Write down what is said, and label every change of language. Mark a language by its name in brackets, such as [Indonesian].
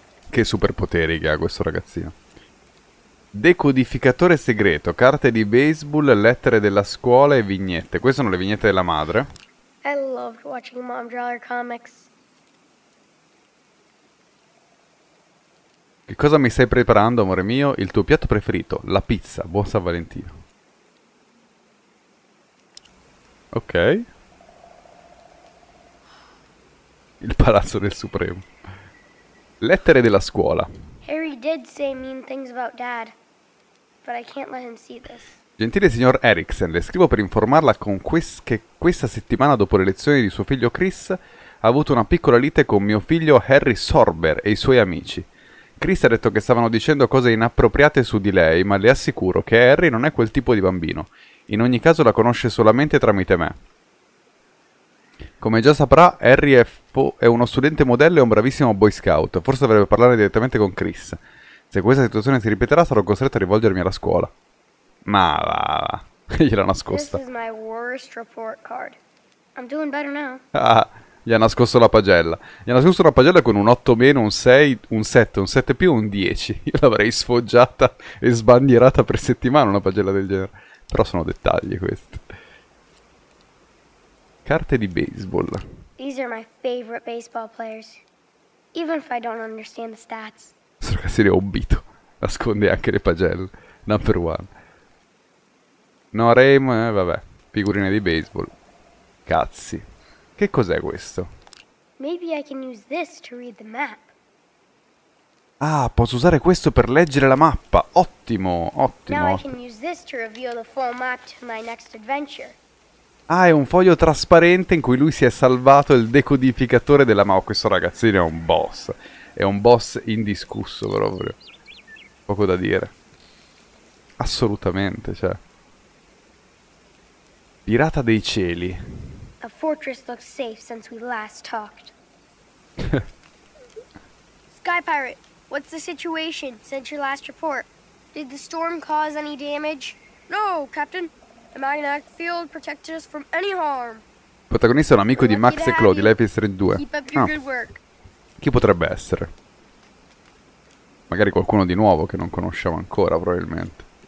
[Italian] Che superpoteri che ha questo ragazzino. Decodificatore segreto, carte di baseball, lettere della scuola e vignette. Queste sono le vignette della madre. [English] I loved watching mom draw her comics. [Italian] Che cosa mi stai preparando, amore mio? Il tuo piatto preferito, la pizza. Buon San Valentino. Ok. Il palazzo del supremo. Lettere della scuola. [English] Harry did say mean things about dad. But I can't let him see this. [Italian] Gentile signor Eriksen, le scrivo per informarla con che questa settimana dopo le lezioni di suo figlio Chris ha avuto una piccola lite con mio figlio Harry Sorber e i suoi amici. Chris ha detto che stavano dicendo cose inappropriate su di lei, ma le assicuro che Harry non è quel tipo di bambino. In ogni caso la conosce solamente tramite me. Come già saprà, Harry è uno studente modello e un bravissimo Boy Scout. Forse dovrebbe parlare direttamente con Chris. Se questa situazione si ripeterà, sarò costretto a rivolgermi alla scuola. Ma va, va. Gliel'ha nascosta. [English] This is my worst report card. I'm doing better now. [Italian] Ah, gli ha nascosto la pagella. Gli ha nascosto una pagella con un 8 meno, un 6, un 7, un 7 più, un 10. Io l'avrei sfoggiata e sbandierata per settimana una pagella del genere. Però sono dettagli questi. Carte di baseball. [English] These are my favorite baseball players. Even if I don't understand the stats. [Italian] Questo ragazzino è obbito. Nasconde anche le pagelle. [English] Number one. [Italian] No, Raim, vabbè. Figurine di baseball. Cazzi. Che cos'è questo? [English] Maybe I can use this to read the map. [Italian] Ah, posso usare questo per leggere la mappa. Ottimo, ottimo. [English] Now I can use this to reveal the full map to my next adventure. [Italian] Ah, è un foglio trasparente in cui lui si è salvato il decodificatore della mappa. Questo ragazzino è un boss. È un boss indiscusso proprio. Poco da dire. Assolutamente, cioè. Pirata dei cieli. [English] A fortress looks safe since we last talked. Sky Pirate, what's the situation since your last report? Did the storm cause any damage? No, Captain. The magnetic field protected us from any harm. [Italian] Protagonista è un amico di Max e Claude di Life is Strange 2. [English] Keep up your good work. [Italian] Chi potrebbe essere? Magari qualcuno di nuovo che non conosciamo ancora, probabilmente.